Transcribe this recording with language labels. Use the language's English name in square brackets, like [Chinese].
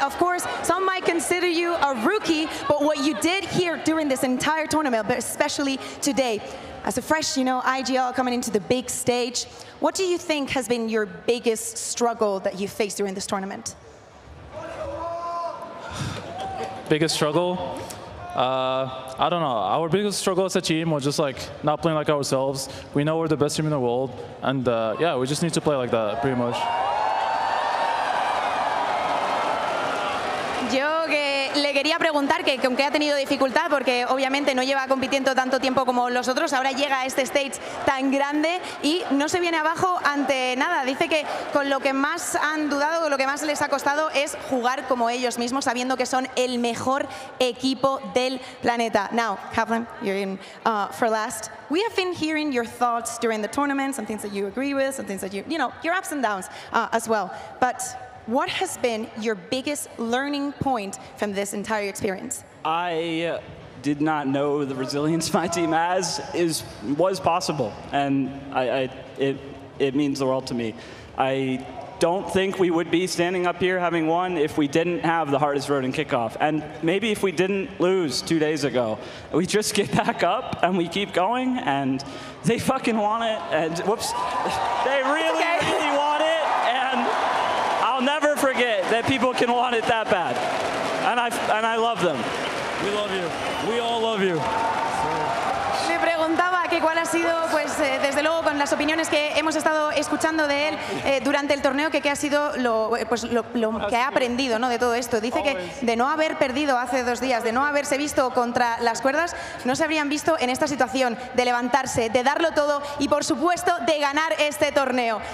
[English] Of course, some might consider you a rookie, but what you did here during this entire tournament, but especially today, as a fresh, you know, IGL coming into the big stage, what do you think has been your biggest struggle that you faced during this tournament? Biggest struggle? I don't know. Our biggest struggle as a team was just like not playing like ourselves. We know we're the best team in the world, and yeah, we just need to play like that, pretty much. [Spanish] Yo que le quería preguntar que con qué ha tenido dificultad, porque obviamente no lleva compitiendo tanto tiempo como los otros, ahora llega a este stage tan grande y no se viene abajo ante nada. Dice que con lo que más han dudado, lo que más les ha costado es jugar como ellos mismos, sabiendo que son el mejor equipo del planeta. [English] Now, Kaplan, you're in for last. We have been hearing your thoughts during the tournament, some things that you agree with, some things that you, you know, your ups and downs as well. But what has been your biggest learning point from this entire experience? I did not know the resilience my team has was possible, and it means the world to me. I don't think we would be standing up here having won if we didn't have the hardest road in kickoff, and maybe if we didn't lose 2 days ago. We just get back up and we keep going, and they fucking want it, and whoops, they really, okay, really want it. Never forget that people can want it that bad, and I love them. We love you. We all love you. [Spanish] Me preguntaba que cuál ha sido, pues desde luego con las opiniones que hemos estado escuchando de él durante el torneo, que qué ha sido lo que ha aprendido, ¿no?, de todo esto. Dice que de no haber perdido hace dos días, de no haberse visto contra las cuerdas, no se habrían visto en esta situación de levantarse, de darlo todo y por supuesto de ganar este torneo.